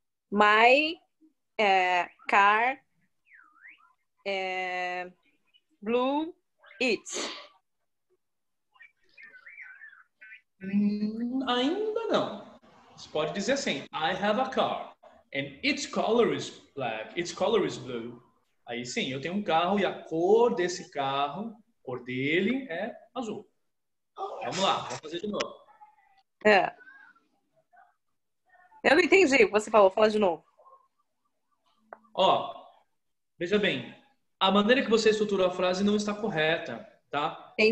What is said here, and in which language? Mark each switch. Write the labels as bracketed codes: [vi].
[en] My car blue it. [pt] Ainda não. Você pode dizer assim, [en] I have a car. And its color is black, its color is blue. [pt] Aí sim, eu tenho um carro e a cor desse carro, a cor dele é azul. Vamos lá, vamos fazer de novo. É. Eu não entendi o que você falou, fala de novo. Ó, veja bem, a maneira que você estruturou a frase não está correta, tá?